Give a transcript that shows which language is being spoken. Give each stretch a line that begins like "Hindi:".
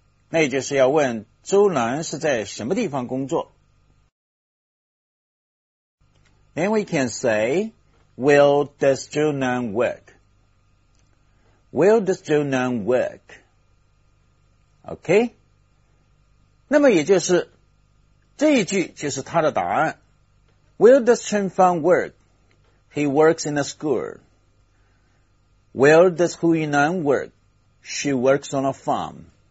Chinese: 那也就是要问周南是在什么地方工作。
English: Then we can say,Where does Zhou Nan work? OK?
Chinese: 那么也就是这一句就是他的答案。
English: Where does 陈芳 work? He works in a school. Where does Hu Yinan work? She works on a farm.